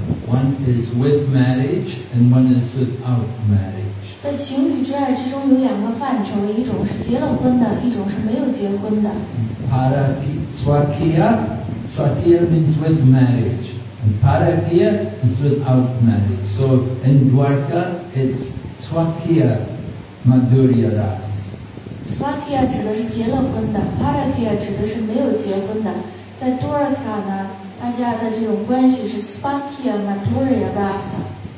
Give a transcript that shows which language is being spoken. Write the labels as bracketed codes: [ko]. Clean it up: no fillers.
[en] One is with marriage and one is without marriage. [zh] 在情侣之爱之中有两个范畴，一种是结了婚的，一种是没有结婚的。 [en] Parakya means with marriage, and parakya is without marriage. So in Dwarka, it's swakya madhurya rasa. [zh] Swakya 指的是结了婚的 Parakya 指的是没有结婚的在 Dwarka 呢大家的这种关系是 Swakya Madhurya Rasa